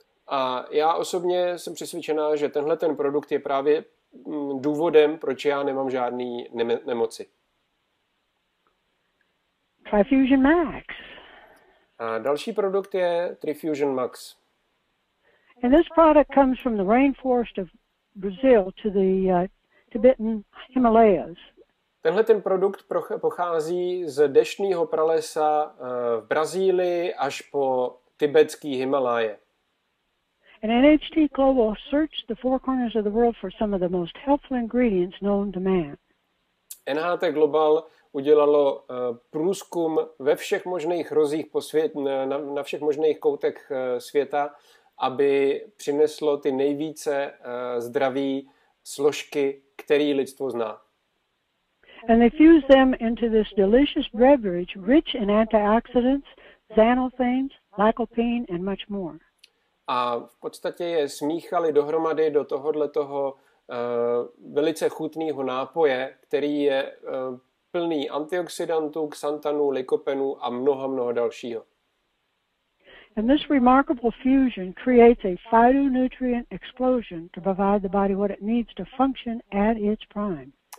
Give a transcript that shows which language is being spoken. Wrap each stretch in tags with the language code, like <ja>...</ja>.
<cs>A já osobně jsem přesvědčená, že tenhle ten produkt je právě důvodem, proč já nemám žádný nemoci. Trifusion Max. A další produkt je Trifusion Max.</cs> <en>And this product comes from the rainforest of Brazil to the Tibetan Himalayas.</en> <cs>Tenhle ten produkt pochází z deštného pralesa v Brazílii až po tibetský Himalaje.</cs> <en>And NHT Global searched the four corners of the world for some of the most helpful ingredients known to man.</en> <cs>NHT Global udělalo průzkum ve všech možných rozích po svět, na všech možných koutech světa, aby přineslo ty nejvíce zdraví složky, které lidstvo zná.</cs> <en>And they fused them into this delicious beverage rich in antioxidants, xanthanes, lycopene and much more.</en> <cs>A v podstatě je smíchali dohromady do tohohle toho velice chutného nápoje, který je plný antioxidantů, xantanů, likopenů a mnoho, mnoho dalšího.</cs> <en>And this remarkable fusion creates a phytonutrient explosion to provide the body what it needs to function at its prime.</en>